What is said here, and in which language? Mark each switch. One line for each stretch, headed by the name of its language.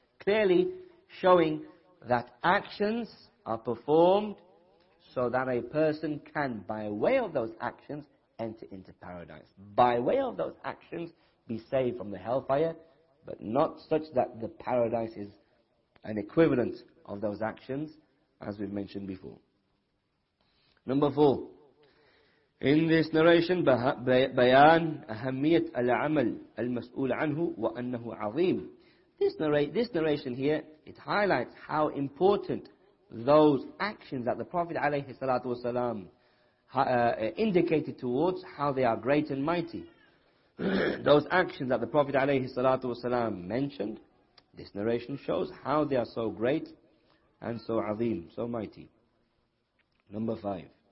English: Clearly showing that actions are performed so that a person can, by way of those actions, enter into paradise. By way of those actions, be saved from the hellfire, but not such that the paradise is an equivalent of those actions, as we've mentioned before. Number four. In this narration,
Arabic: بيان أهمية العمل المسؤول عنه وأنه عظيم.
English: This narration here, it highlights how important those actions that the Prophet عليه الصلاة والسلام indicated towards, how they are great and mighty. Those actions that the Prophet عليه الصلاة والسلام mentioned, this narration shows how they are so great and so عظيم, so mighty. Number five.